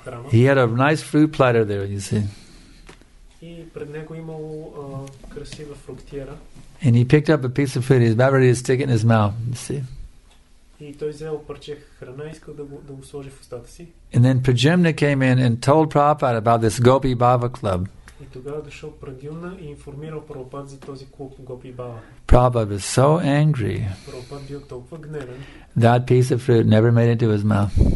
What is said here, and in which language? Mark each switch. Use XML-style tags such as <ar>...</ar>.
<en>He had a nice fruit platter there, you see.</en> <bg>И пред него имало красива фруктиера.</bg> <en>And he picked up a piece of food. He was about ready to stick it in his mouth, you see.</en> <bg>И той взел парче храна и искал да го сложи в устата си.</bg> <en>And then Prajumna came in and told Prabhupada about this Gopi Baba club.</en> <bg>И тогава дошъл Прагюна и информирал Прабхупад за този клуб Gopi Baba.</bg> <en>Prabhupada was so angry.</en> <bg>Прабхупад бил толкова гневен.</bg> <en>That piece of fruit never made it to his mouth.</en>